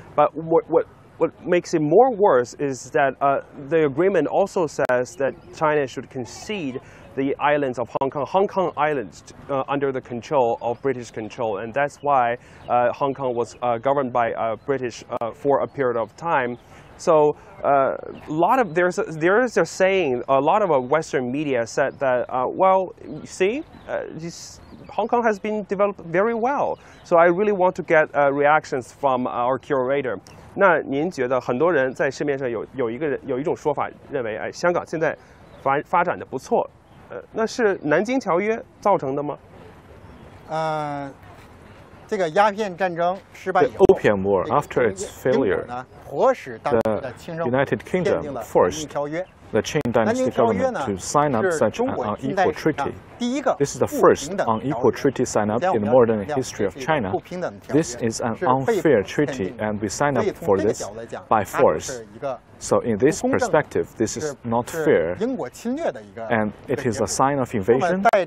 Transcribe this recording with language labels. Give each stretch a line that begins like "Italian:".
English: But what makes it more worse is that the agreement also says that China should concede the islands of Hong Kong islands under the control of British control, and that's why Hong Kong was governed by British for a period of time. So a lot of Western media said that Hong Kong has been developed very well. So I really want to get reactions from our curator.
Chinese: 那您觉得很多人在市面上有一种说法认为，哎，香港现在发展的不错，那是南京条约造成的吗？这个鸦片战争失败以后
English: the Opium War after its failure,
Chinese: 迫使当时的清政府签订了南京条约。
English: The Qing Dynasty government to sign up such an unequal treaty. This is the first unequal treaty signed up in the modern history of China. This is an unfair treaty, and we signed up for this by force. So, in this perspective, this is not fair, and it is a sign of invasion.